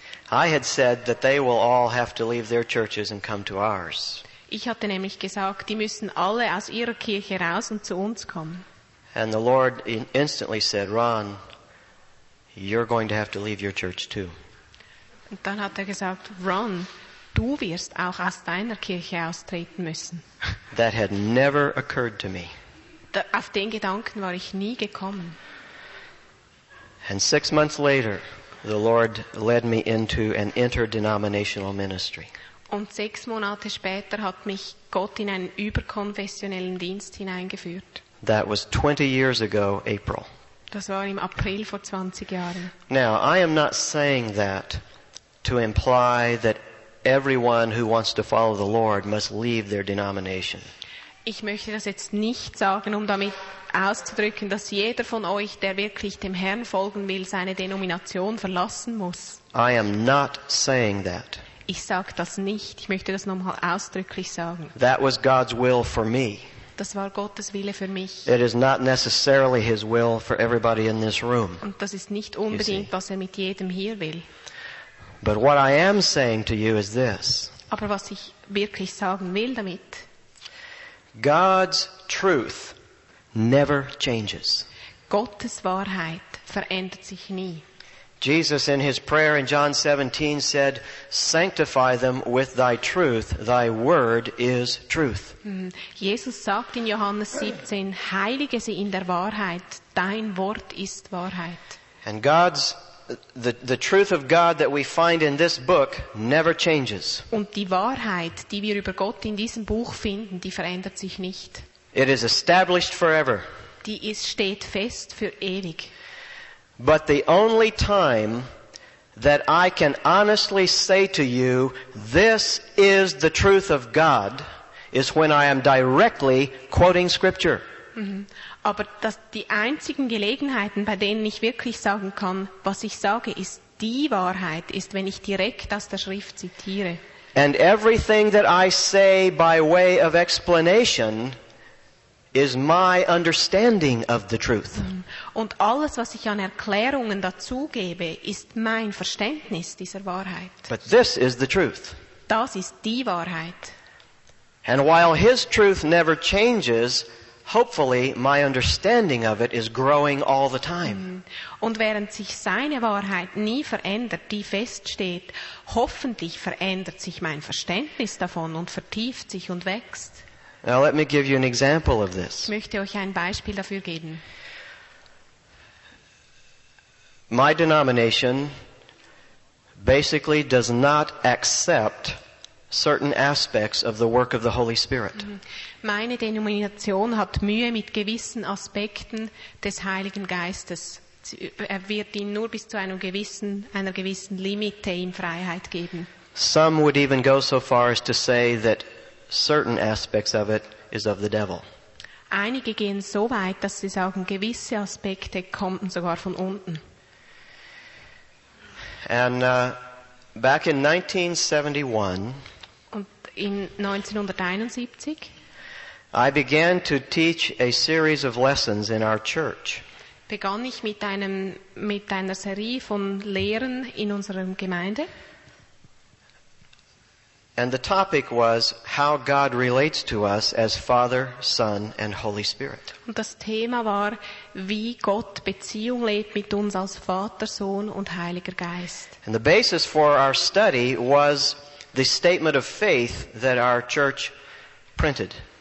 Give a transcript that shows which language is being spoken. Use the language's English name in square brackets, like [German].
[English] I had said that they will all have to leave their churches and come to ours. [German] Ich hatte nämlich gesagt, die müssen alle aus ihrer Kirche raus und zu uns kommen. [English] And the Lord instantly said, Ron, you're going to have to leave your church too. [German] Und dann hat er gesagt, Ron, du wirst auch aus deiner Kirche austreten müssen. [English] That had never occurred to me. [German] Auf den Gedanken war ich nie gekommen. [English] And 6 months later, the Lord led me into an interdenominational ministry. [German] Und 6 Monate später hat mich Gott in einen überkonfessionellen Dienst hineingeführt. [English] That was 20 years ago, April. [German] Das war im April vor 20 Jahren. [English] Now, I am not saying that to imply that everyone who wants to follow the Lord must leave their denomination. [German] Ich möchte das jetzt nicht sagen, um damit auszudrücken, dass jeder von euch, der wirklich dem Herrn folgen will, seine Denomination verlassen muss. [English] I am not saying that. [German] Ich sage das nicht. Ich möchte das nochmal ausdrücklich sagen. [English] That was God's will for me. [German] Das war Gottes Wille für mich. [English] It is not necessarily his will for everybody in this room. [German] Und das ist nicht unbedingt, was er mit jedem hier will. [English] But what I am saying to you is this. [German] Aber was ich wirklich sagen will damit. [English] God's truth never changes. [German] Gottes Wahrheit verändert sich nie. [English] Jesus in his prayer in John 17 said, "Sanctify them with thy truth. Thy word is truth." [German] Jesus sagt in Johannes 17, "Heilige sie in der Wahrheit. Dein Wort ist Wahrheit." [English] And the truth of God that we find in this book never changes. [German] Und die Wahrheit, die wir über Gott in diesem Buch finden, die verändert sich nicht. [English] It is established forever. [German] Die ist steht fest für ewig. [English] But the only time that I can honestly say to you, this is the truth of God, is when I am directly quoting Scripture. [German] Aber die einzigen Gelegenheiten, bei denen ich wirklich sagen kann, was ich sage, ist die Wahrheit, ist, wenn ich direkt aus der Schrift zitiere. [English] And everything that I say by way of explanation is my understanding of the truth. [German] Und alles, was ich an Erklärungen dazugebe, ist mein Verständnis dieser Wahrheit. [English] But this is the truth. [German] Das ist die Wahrheit. [English] And while his truth never changes, hopefully my understanding of it is growing all the time. [German] Und während sich seine Wahrheit nie verändert, die feststeht, hoffentlich verändert sich mein Verständnis davon und vertieft sich und wächst. [English] Now let me give you an example of this. [German] Ich möchte euch ein Beispiel dafür geben. [English] My denomination basically does not accept certain aspects of the work of the Holy Spirit. [German] Meine Denomination hat Mühe mit gewissen Aspekten des Heiligen Geistes. Er wird ihn nur bis zu einer gewissen Limite in Freiheit geben. [English] Some would even go so far as to say that certain aspects of it is of the devil. [German] Einige gehen so weit, dass sie sagen, gewisse Aspekte kommen sogar von unten. [English] And back in 1971, [German] und in 1971, [English] I began to teach a series of lessons in our church. [German] Begann ich mit einer Serie von Lehren in unserer Gemeinde. [English] And the topic was how God relates to us as Father, Son, and Holy Spirit. [German] Und das Thema war, wie Gott Beziehung lebt mit uns als Vater, Sohn und Heiliger Geist. [English] And the basis for our study was the statement of faith that our church printed.